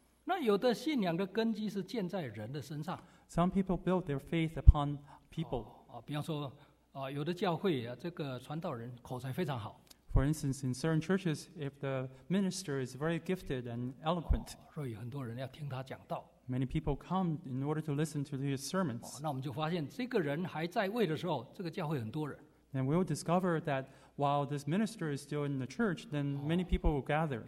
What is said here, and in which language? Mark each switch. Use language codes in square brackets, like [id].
[zh] 那有的信仰的根基是建在人的身上。 [en] Some people build their faith upon people. [zh] 比方说，有的教会啊，这个传道人口才非常好。 [en] For instance, in certain churches, if the minister is very gifted and eloquent, [zh] 所以很多人要听他讲道。 [en] Many people come in order to listen to his sermons. [zh] 那我们就发现，这个人还在位的时候，这个教会很多人。 [en] And we'll discover that while this minister is still in the church, then many people will gather.